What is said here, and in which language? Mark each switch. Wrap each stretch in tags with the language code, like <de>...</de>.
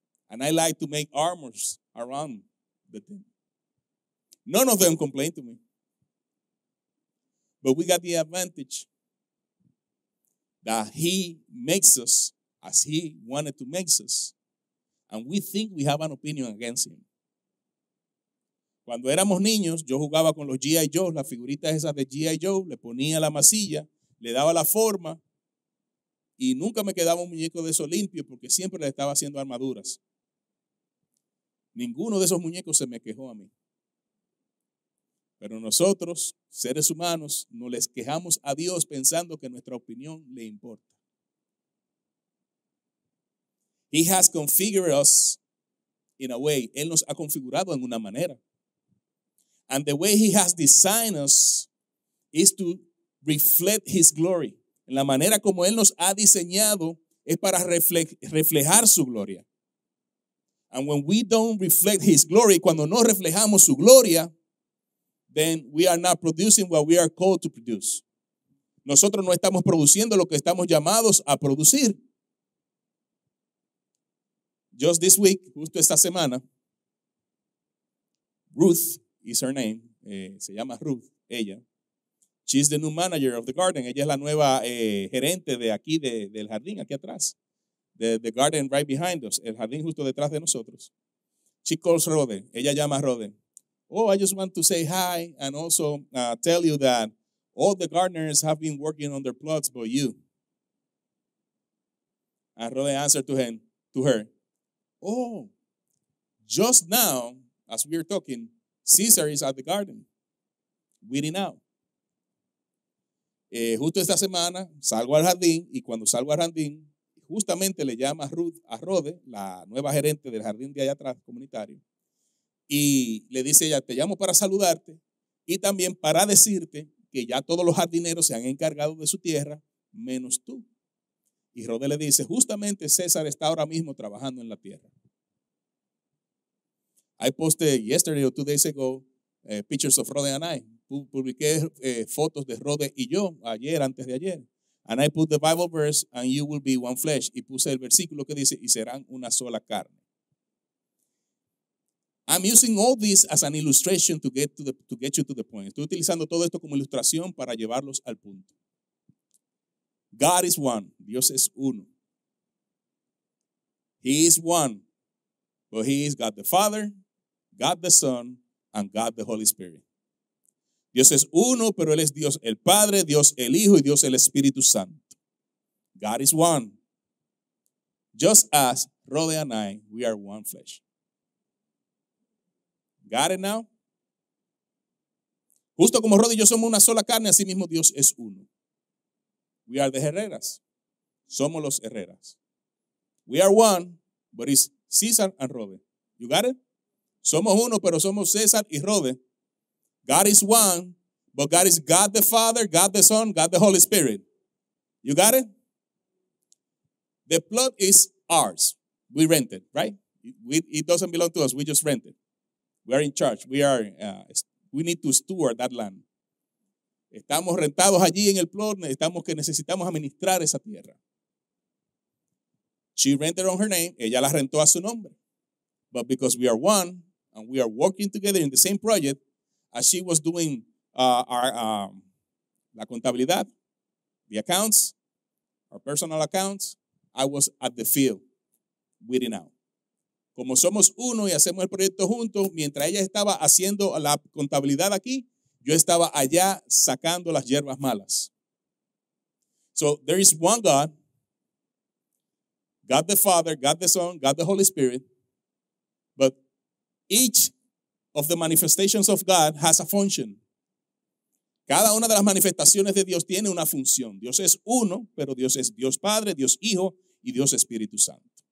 <en>And I like to make armors around the tent. None of them complained to me. But we got the advantage that he makes us as he wanted to make us. And we think we have an opinion against him.</en> <es>Cuando éramos niños, yo jugaba con los G.I. Joe, las figuritas esas de G.I. Joe, le ponía la masilla, le daba la forma, y nunca me quedaba un muñeco de eso limpio porque siempre le estaba haciendo armaduras. Ninguno de esos muñecos se me quejó a mí. Pero nosotros, seres humanos, nos les quejamos a Dios pensando que nuestra opinión le importa.</es> <en>He has configured us in a way.</en> <es>Él nos ha configurado en una manera.</es> <en>And the way he has designed us is to reflect his glory.</en> <es>En la manera como él nos ha diseñado es para reflejar su gloria.</es> <en>And when we don't reflect his glory,</en> <es>cuando no reflejamos su gloria,</es> <en>then we are not producing what we are called to produce.</en> <es>Nosotros no estamos produciendo lo que estamos llamados a producir.</es> <en>Just this week,</en> <es>justo esta semana,</es> <en>Ruth is her name,</en> <es>se llama Ruth, ella.</es> <en>She's the new manager of the garden.</en> <es>Ella es la nueva gerente de aquí, del jardín, aquí atrás.</es> <en>The garden right behind us,</en> <es>el jardín justo detrás de nosotros.</es> <en>She calls Rode,</en> <es>ella llama a Rode.</es> <en>Oh, I just want to say hi and also tell you that all the gardeners have been working on their plots but you. And Rode answered to her, oh, just now, as we are talking, Caesar is at the garden, weeding out.</en> <es>Justo esta semana, salgo al jardín, y cuando salgo al jardín, justamente le llama Ruth a Rode, la nueva gerente del jardín de allá atrás, comunitario, y le dice ella, te llamo para saludarte, y también para decirte que ya todos los jardineros se han encargado de su tierra, menos tú. Y Rode le dice, justamente César está ahora mismo trabajando en la tierra.</es> <en>I posted yesterday or 2 days ago pictures of Rode and I.</en> <es>Publiqué fotos de Rode y yo ayer, antes de ayer.</es> <en>And I put the Bible verse, and you will be one flesh.</en> <es>Y puse el versículo que dice, y serán una sola carne.</es> <en>I'm using all this as an illustration to get you to the point.</en> <es>Estoy utilizando todo esto como ilustración para llevarlos al punto.</es> <en>God is one.</en> <es>Dios es uno.</es> <en>He is one. But he is God the Father, God the Son, and God the Holy Spirit.</en> <es>Dios es uno, pero él es Dios el Padre, Dios el Hijo, y Dios el Espíritu Santo.</es> <en>God is one. Just as Rode and I, we are one flesh. Got it now?</en> <es>Justo como Rode y yo somos una sola carne, así mismo Dios es uno.</es> <en>We are the Herreras.</en> <es>Somos los Herreras.</es> <en>We are one, but it's Caesar and Rode. You got it?</en> <es>Somos uno, pero somos César y Rode.</es> <en>God is one, but God is God the Father, God the Son, God the Holy Spirit. You got it? The plot is ours. We rent it, right? It doesn't belong to us. We just rent it. We are in charge. We need to steward that land.</en> <es>Estamos rentados allí en el plot. Necesitamos administrar esa tierra.</es> <en>She rented on her name.</en> <es>Ella la rentó a su nombre.</es> <en>But because we are one and we are working together in the same project, as she was doing</en> <es>la contabilidad,</es> <en>the accounts, our personal accounts, I was at the field, weeding out.</en> <es>Como somos uno y hacemos el proyecto juntos, mientras ella estaba haciendo la contabilidad aquí, yo estaba allá sacando las hierbas malas.</es> <en>So there is one God, God the Father, God the Son, God the Holy Spirit, but each of the manifestations of God has a function.</en> <es>Cada una de las manifestaciones de Dios tiene una función. Dios es uno, pero Dios es Dios Padre, Dios Hijo y Dios Espíritu Santo.</es>